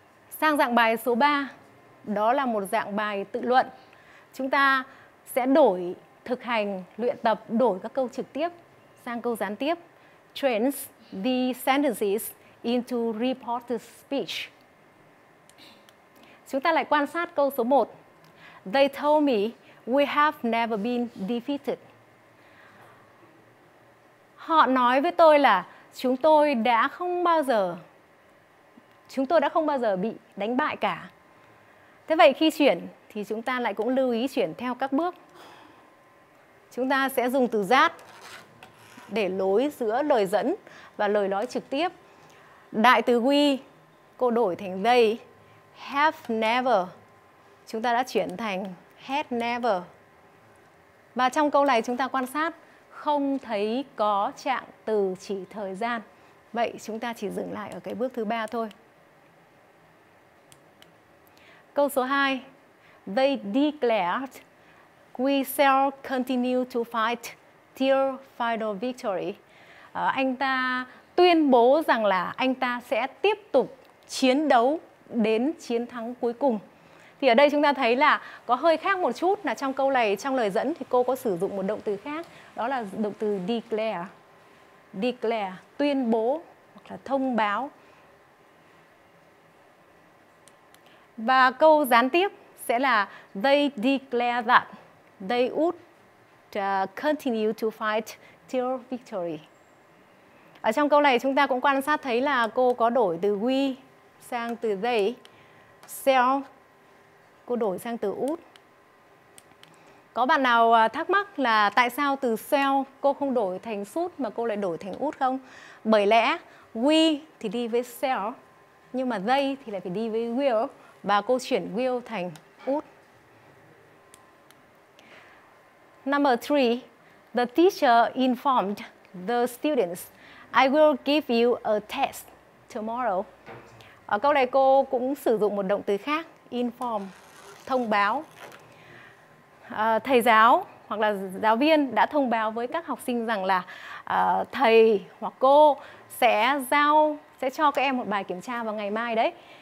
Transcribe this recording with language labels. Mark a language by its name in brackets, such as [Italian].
[Vietnamese] Sang dạng bài số 3, đó là một dạng bài tự luận. Chúng ta sẽ đổi thực hành, luyện tập, đổi các câu trực tiếp sang câu gián tiếp. [English] Trans the sentences into reported speech. [Vietnamese] Chúng ta lại quan sát câu số 1. [English] They told me we have never been defeated. [Vietnamese] Họ nói với tôi là chúng tôi đã không bao giờ bị đánh bại cả. Thế vậy khi chuyển thì chúng ta lại cũng lưu ý chuyển theo các bước. Chúng ta sẽ dùng từ that để lối giữa lời dẫn và lời nói trực tiếp. Đại từ we, cô đổi thành they. Have never, chúng ta đã chuyển thành had never. Và trong câu này chúng ta quan sát không thấy có trạng từ chỉ thời gian. Vậy chúng ta chỉ dừng lại ở cái bước thứ 3 thôi. Câu số 2. [English] They declared we shall continue to fight till final victory. [Vietnamese] Anh ta tuyên bố rằng là anh ta sẽ tiếp tục chiến đấu đến chiến thắng cuối cùng. Thì ở đây chúng ta thấy là có hơi khác một chút là trong câu này, trong lời dẫn thì cô có sử dụng một động từ khác, đó là động từ declare. Declare, tuyên bố hoặc là thông báo. Và câu gián tiếp sẽ là [English] they declare that they would continue to fight till victory. [Vietnamese] Ở trong câu này chúng ta cũng quan sát thấy là cô có đổi từ we sang từ they, shall cô đổi sang từ would. Có bạn nào thắc mắc là tại sao từ shall cô không đổi thành should mà cô lại đổi thành would không? Bởi lẽ we thì đi với shall, nhưng mà they thì lại phải đi với will, và cô chuyển will thành would. [English] Number 3, the teacher informed the students, I will give you a test tomorrow. [Vietnamese] Ở câu này cô cũng sử dụng một động từ khác, inform, thông báo. Thầy giáo hoặc là giáo viên đã thông báo với các học sinh rằng là thầy hoặc cô sẽ cho các em một bài kiểm tra vào ngày mai đấy.